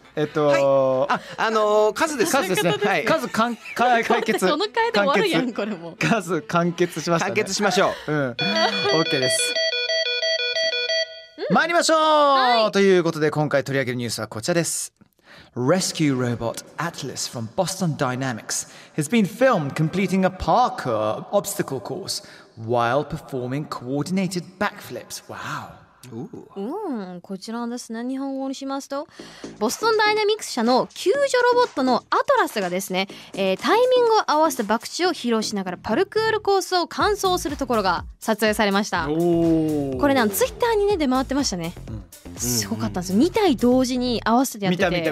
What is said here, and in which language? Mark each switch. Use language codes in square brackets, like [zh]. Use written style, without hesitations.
[ja] はい、数です。数ですね。はい、数完解決。この回で終わるやん、これも。数完結しましたね。完結しましょう。うん。OK です。参りましょう、はい、ということで、今回取り上げるニュースはこちらです。 [en] Rescue robot Atlas from Boston Dynamics has been filmed completing a parkour obstacle course while performing coordinated backflips. Wow. [ja] うん、こちらですね、日本語にしますと、ボストンダイナミクス社の救助ロボットのアトラスがですね、タイミングを合わせた爆地を披露しながらパルクールコースを完走するところが撮影されました。これね、ツイッターにね出回ってましたね、うん、すごかったんですよ、うんうん、2体同時に合わせてやってて、